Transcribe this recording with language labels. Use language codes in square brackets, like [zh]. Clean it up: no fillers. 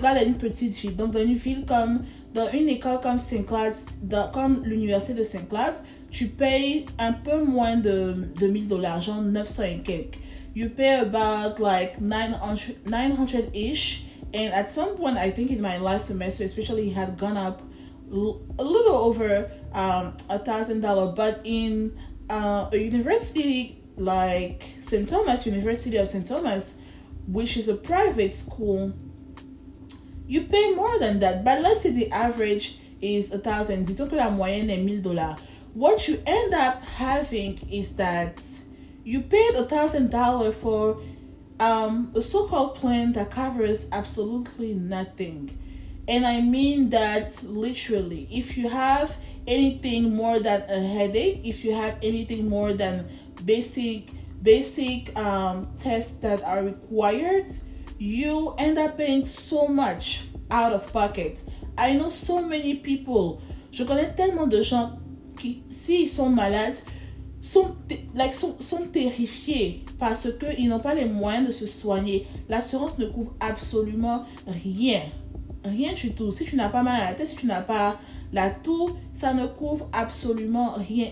[fr] Cloud est une petite ville, donc dans une ville comme, dans une école comme St. Cloud, comme l'université de St. Cloud, tu payes un peu moins de 1000 dollars, genre 900 et quelques. [en] You pay about like 900-ish, and at some point, I think in my last semester, especially, it had gone up a little over $1,000, but in a university like St. Thomas, University of St. Thomas, which is a private school, you pay more than that. But let's say the average is $1,000. [fr] Disons que la moyenne est $1,000. [en] What you end up having is that you paid $1,000 for a so-called plan that covers absolutely nothing. And I mean that literally. If you have anything more than a headache, if you have anything more than basic tests that are required, you end up paying so much out of pocket. I know so many people. [fr] Je connais tellement de gens qui, s'ils sont malades, sont terrifiés parce qu'ils n'ont pas les moyens de se soigner. L'assurance ne couvre absolument rien. Rien du tout. Si tu n'as pas mal à la tête, si tu n'as pas la toux, ça ne couvre absolument rien.